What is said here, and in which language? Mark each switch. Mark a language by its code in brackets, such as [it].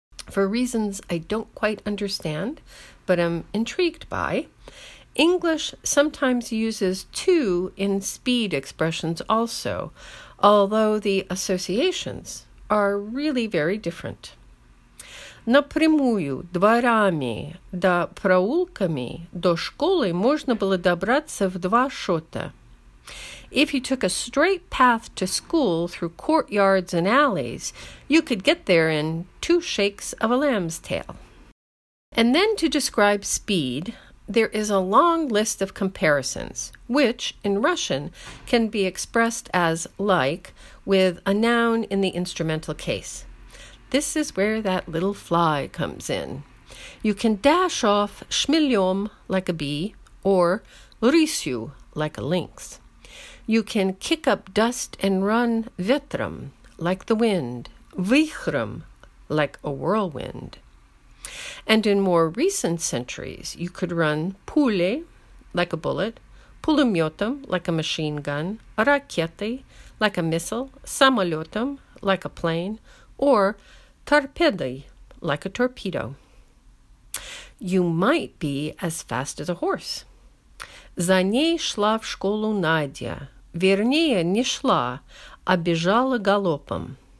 [en] For reasons I don't quite understand, but am intrigued by, English sometimes uses two in speed expressions also, although the associations are really very different. [ru] Напрямую, дворами, да проулками, до школы можно было добраться в два шота. [en] If you took a straight path to school through courtyards and alleys, you could get there in two shakes of a lamb's tail. And then to describe speed, there is a long list of comparisons, which, in Russian, can be expressed as like with a noun in the instrumental case. This is where that little fly comes in. You can dash off [ru] шмелем [en] like a bee, or [ru] рысью [en] like a lynx. You can kick up dust and run [ru] ветром, [en] like the wind, [ru] вихром, [en] like a whirlwind. And in more recent centuries, you could run [ru] пуле, [en] like a bullet, [ru] пулеметом, [en] like a machine gun, [ru] ракетой, [en] like a missile, [ru] самолетом, [en] like a plane, or [ru] торпедой, [en] like a torpedo. You might be as fast as a horse. [ru] За ней шла в школу Надя. Вернее, не шла, а бежала галопом.